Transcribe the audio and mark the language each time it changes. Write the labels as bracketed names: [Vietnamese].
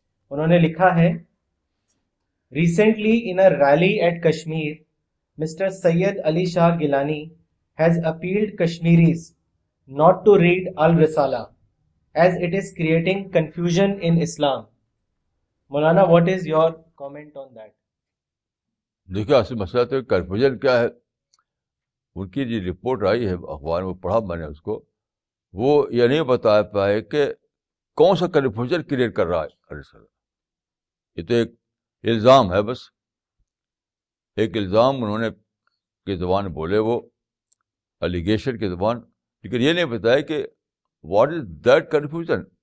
[Urdu] انہوں نے لکھا ہے, [English] Recently in a rally at Kashmir mister Syed Ali Shah Gilani has appealed Kashmiris not to read Al-Risala as it is creating confusion in Islam. Maulana, what is your comment on that? [Urdu] دیکھیں اصل مسئلہ تو confusion کیا ہے. ان کی جو رپورٹ آئی ہے اخبار میں پڑھا میں نے اس کو, وہ یہ نہیں بتا پائے کہ کون سا کنفیوژن کریٹ کر رہا ہے Al-Risala. یہ تو ایک الزام ہے, بس ایک الزام انہوں نے کی زبان بولے وہ الیگیشن کی زبان, لیکن یہ نہیں بتایا کہ [English] What is that confusion.